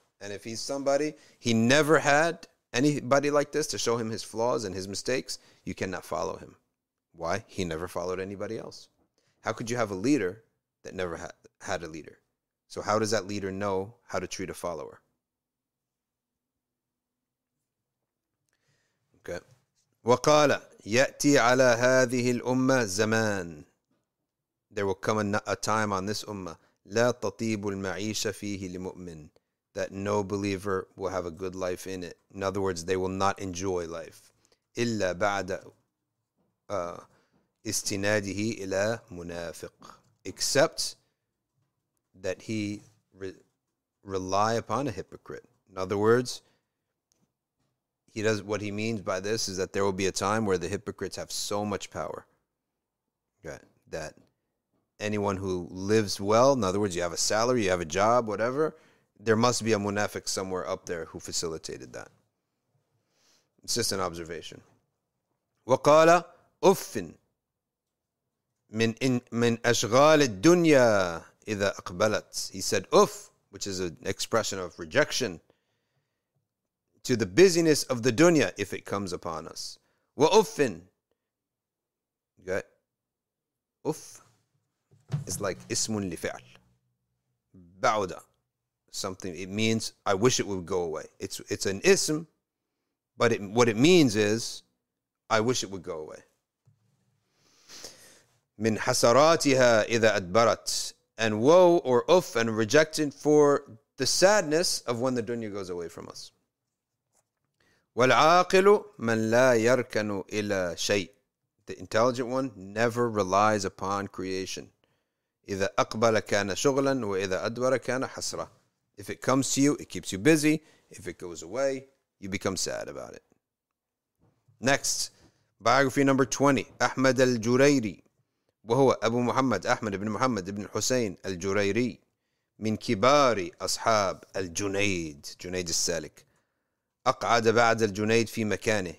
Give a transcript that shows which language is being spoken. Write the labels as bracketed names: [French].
[English] And if he's somebody, he never had anybody like this to show him his flaws and his mistakes, you cannot follow him. Why? He never followed anybody else. How could you have a leader that never had a leader? So how does that leader know how to treat a follower? Okay. [Arabic] وقال يأتي على هذه الأمة زمان. [English] There will come a time on this ummah [Arabic] لا تطيب المعيشة فيه لمؤمن, [English] that no believer will have a good life in it. In other words, they will not enjoy life. [Arabic] إلا بعد استناده إلى منافق. [English] Except that he rely upon a hypocrite. In other words, he does. What he means by this is that there will be a time where the hypocrites have so much power, right, that anyone who lives well, in other words, you have a salary, you have a job, whatever, there must be a munafiq somewhere up there who facilitated that. It's just an observation. [Arabic] وَقَالَ أُفٍ مِنْ أَشْغَالِ الدُّنْيَا إِذَا أَقْبَلَتْ. [English] He said, "Uff," which is an expression of rejection, to the busyness of the dunya if it comes upon us. وَأُفٍ. Got uff. It's like ismun lifi'l. Ba'uda. Something, it means, I wish it would go away. It's an ism, but it, what it means is, I wish it would go away. [Arabic] Min hasaratiha idha adbarat. [English] And woe or uff and rejected for the sadness of when the dunya goes away from us. [Arabic] Wal'aqilu man la yarkanu ila shay. [English] The intelligent one never relies upon creation. [Arabic] إذا أقبل كان شغلا وإذا أدبر كان حسرة. [English] If it comes to you, it keeps you busy. If it goes away, you become sad about it. Next, biography number 20. [Arabic] أحمد الجريري وهو أبو محمد أحمد بن محمد بن حسين الجريري من كبار أصحاب الجنيد. جنيد السالك. أقعد بعد الجنيد في مكانه.